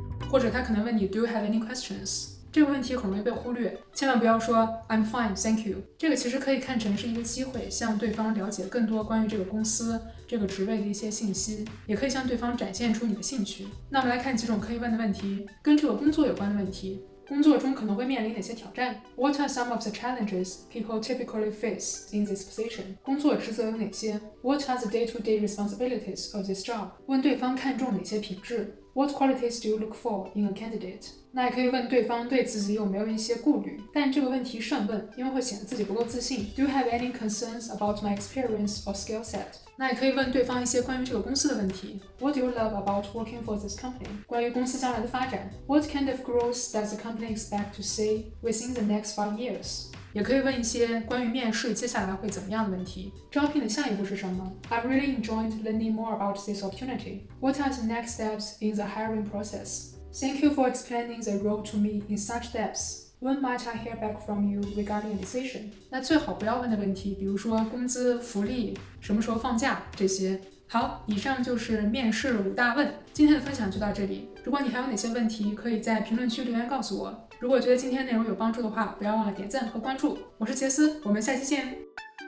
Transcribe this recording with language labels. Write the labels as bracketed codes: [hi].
[zh] 或者他可能问你 [en] Do you have any questions? [zh] 这个问题很容易被忽略，千万不要说 [en] I'm fine, thank you。 [zh] 这个其实可以看成是一个机会，向对方了解更多关于这个公司、这个职位的一些信息，也可以向对方展现出你的兴趣。那我们来看几种可以问的问题，跟这个工作有关的问题。工作中可能会面临哪些挑战？ [en] What are some of the challenges people typically face in this position? [zh] 工作职责有哪些？ [en] What are the day-to-day responsibilities of this job? [zh] 问对方看重哪些品质？ [en] What qualities do you look for in a candidate? [zh] 那也可以问对方对自己有没有一些顾虑，但这个问题慎问，因为会显得自己不够自信。 [en] Do you have any concerns about my experience or skill set? [zh] 那也可以问对方一些关于这个公司的问题。 [en] What do you love about working for this company? [zh] 关于公司将来的发展。 [en] What kind of growth does the company expect to see within the next 5 years? [zh] 也可以问一些关于面试接下来会怎么样的问题。招聘的下一步是什么？ [en] I really enjoyed learning more about this opportunity. What are the next steps in the hiring process? Thank you for explaining the role to me in such depth. When might I hear back from you regarding a decision? [zh] 那最好不要问的问题，比如说工资、福利、什么时候放假这些。好，以上就是面试五大问，今天的分享就到这里。如果你还有哪些问题，可以在评论区留言告诉我。如果觉得今天内容有帮助的话，不要忘了点赞和关注。我是杰斯，我们下期见。